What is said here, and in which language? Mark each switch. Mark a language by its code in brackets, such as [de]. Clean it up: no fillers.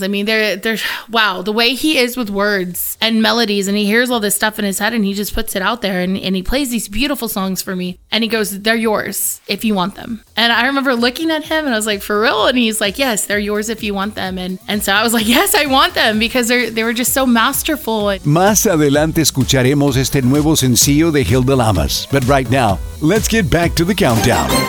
[en] I mean, they're wow, the way he is with words and melodies, and he hears all this stuff in his head and he just puts it out there and he plays these beautiful songs for me. And he goes, they're yours if you want them. And I remember looking at him and I was like, for real? And he's like, yes, they're yours if you want them. And so I was like, yes, I want them, because they were just so masterful. [es] Más adelante escucharemos este nuevo sencillo de Hilda Lamas. [en] But right now, let's get back to the countdown.